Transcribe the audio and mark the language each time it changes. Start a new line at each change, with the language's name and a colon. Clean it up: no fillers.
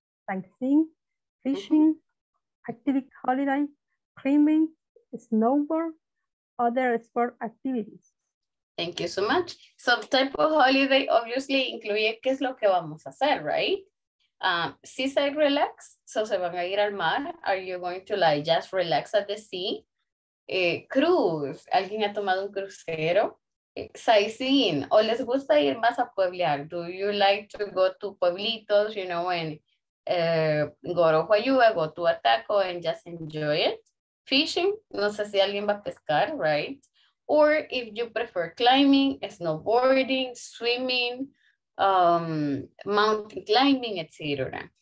English: Sightseeing, fishing, mm-hmm. Activity holiday, climbing, snowboard, other sport activities. Thank you so much. So type of holiday obviously
Spanish: incluye qué es lo que vamos a hacer,
English: right?
Spanish: Seaside relax, so se van a ir al mar.
English: Are you going to like just relax at the sea?
Spanish: Cruise, alguien ha tomado un crucero. Sightseeing, o les gusta ir más a pueblear.
English: Do you like to go to pueblitos, you know, and go to Huayua, go to Ataco, and just enjoy it? Fishing,
Spanish: no sé si alguien va a pescar,
English: right? Or if you prefer climbing, snowboarding, swimming, mountain climbing, etc.